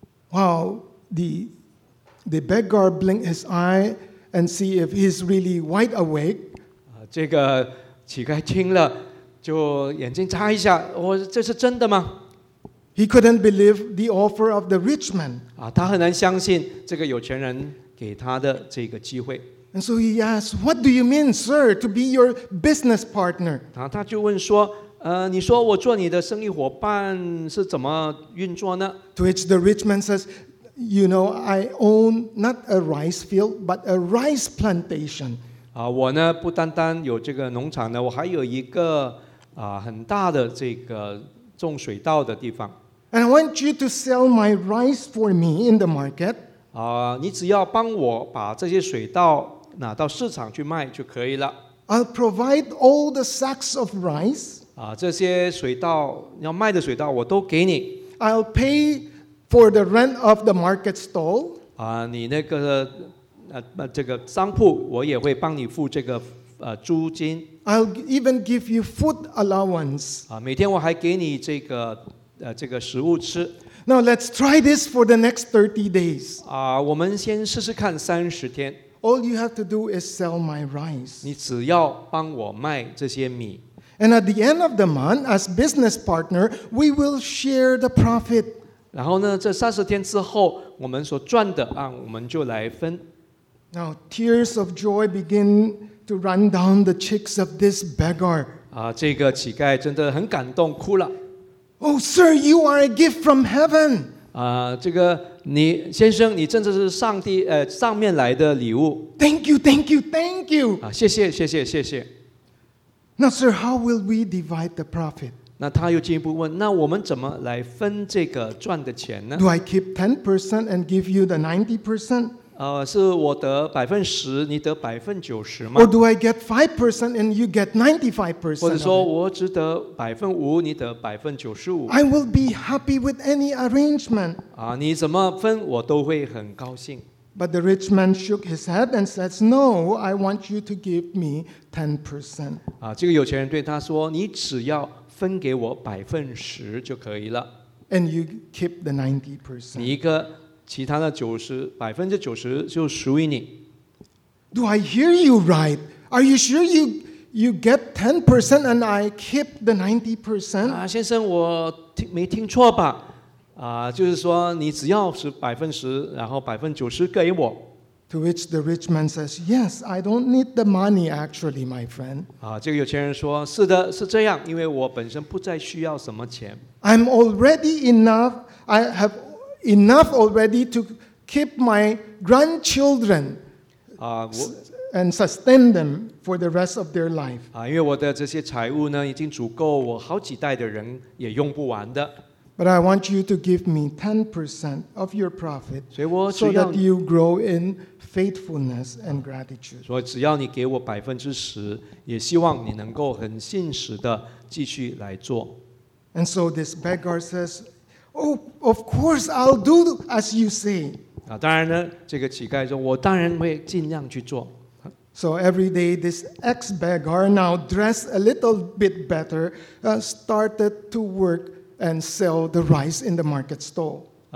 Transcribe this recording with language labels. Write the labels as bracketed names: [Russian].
[English] Wow, the beggar blinked his eye and see if he's really wide awake. [Chinese] 这个乞丐听了，就眼睛眨一下，我这是真的吗？ [English] He couldn't believe the offer of the rich man. [Chinese] 他很难相信这个有钱人给他的这个机会。 [English] And so he asked, "What do you mean, sir, to be your business partner?" [Chinese] 他就问说，你说我做你的生意伙伴是怎么运作呢？ [English] To which the rich man says, "You know, I own not a rice field, but a rice plantation." [Chinese] 我呢不单单有这个农场呢，我还有一个很大的这个。种水稻的地方。 [English] And I want you to sell my rice for me in the market. [Chinese] 你只要帮我把这些水稻拿到市场去卖就可以了。 [English] I'll provide all the sacks of rice. [Chinese] 这些水稻要卖的水稻我都给你。 [English] I'll pay for the rent of the market stall. [Chinese] 你那个这个商铺我也会帮你付这个租金。 [English] I'll even give you food allowance. [Chinese] 每天我还给你这个食物吃。 [English] Now let's try this for the next 30 days. [Chinese] 我们先试试看三十天。 [English] All you have to do is sell my rice. [Chinese] 你只要帮我卖这些米。 [English] And at the end of the month, as business partner, we will share the profit. [Chinese] 然后呢，这三十天之后，我们所赚的我们就来分。 [English] Now tears of joy begin. To run down the cheeks of this beggar. [Chinese] 这个乞丐真的很感动，哭了。 [English] Oh, sir, you are a gift from heaven. [Chinese] 这个你先生，你真的是上帝上面来的礼物。 [English] Thank you. [Chinese] 谢谢。 [English] Now, sir, how will we divide the profit? [Chinese] 那他又进一步问，那我们怎么来分这个赚的钱呢？ [English] Do I keep 10% and give you the 90%? [Chinese] 是我得 10%， 你得 90%吗？ [English] Or do I get 5% and you get 95%? [Chinese] 或者说我只得 5%， 你得 95%？ [English] I will be happy with any arrangement. [Chinese] 你怎么分我都会很高兴。 [English] But the rich man shook his head and says, No, I want you to give me 10%. [Chinese] 这个有钱人对他说， 你只要分给我 10% 就可以了。 [English] And you keep the 90%. [Chinese] 其他的 90% 就属于你。 [English] Do I hear you right? Are you sure you get 10% and I keep the 90%? [Chinese] 先生，我没听错吧？就是说你只要是 10%， 然后 90% 给我。 [English] To which the rich man says, Yes, I don't need the money actually, my friend. [Chinese] 这个有钱人说，是的，是这样， 因为我本身不再需要什么钱。 [English] I'm already enough, I have enough already to keep my grandchildren and sustain them for the rest of their life. [Chinese] 因为我的这些财物呢， 已经足够我好几代的人也用不完的。 [English] But I want you to give me 10% of your profit so that you grow in faithfulness and gratitude. [Chinese] 所以只要你给我 10%， 也希望你能够很信实地继续来做。 [English] And so this beggar says, Oh, of course, I'll do as you say. [Chinese] 当然呢，这个乞丐说，我当然会尽量去做。 [English] So every day, this ex-beggar, now dressed a little bit better, started to work and sell the rice in the market stall.